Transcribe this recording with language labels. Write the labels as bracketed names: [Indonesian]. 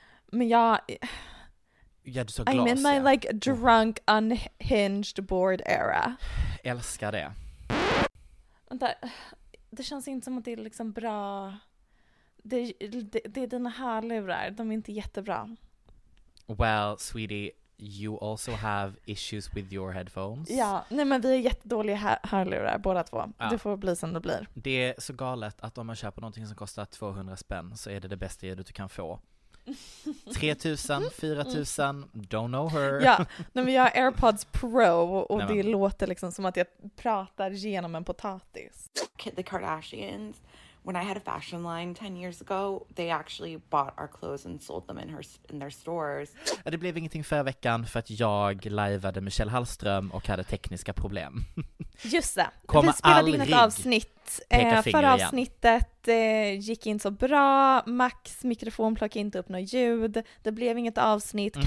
[Swedish] Men jag... Ja, du sa glas, [English] I'm in my like drunk, unhinged, bored era. [Swedish] Älskar det. Vänta, det känns inte som att det är liksom bra. Det är dina hörlurar, de är inte jättebra. [English] Well, sweetie, you also have issues with your headphones. [Swedish] Ja, nej, men vi är jättedåliga hörlurar, båda två. Ja. Det får bli som det blir. Det är så galet att om man köper någonting som kostar 200 spänn så är det det bästa ljudet du kan få. [English] 3000, 4000, don't know her. [Swedish] Ja, nej, men jag har AirPods Pro och nej, det låter liksom som att jag pratar genom en potatis. [English] The Kardashians, when I had a fashion line 10 years ago, they actually bought our clothes and sold them in their stores. [Swedish] Det blev ingenting förra veckan för att jag liveade Michelle Hallström och hade tekniska problem. Just det, vi spelade in ett avsnitt. Förra avsnittet gick inte så bra. Max mikrofon plockade inte upp något ljud. Det blev inget avsnitt. Mm-hmm.